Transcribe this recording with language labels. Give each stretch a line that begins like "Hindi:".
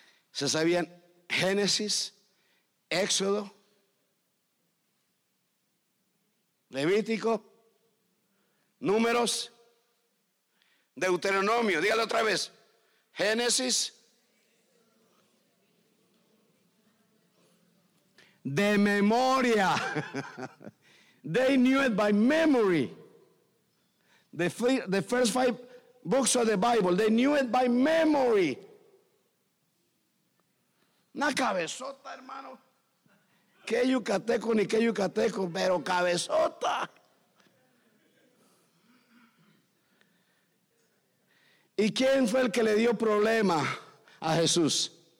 Spanish: Se sabían Génesis, Éxodo, Levítico, Números, Deuteronomio. Dígalo otra vez: Génesis, de memoria.
English: They knew it by memory. The first five books of the Bible, they knew it by memory.
Spanish: Una cabezota, hermano. Que yucateco ni que yucateco, pero cabezota. ¿Y quién fue el que le dio problema a Jesús?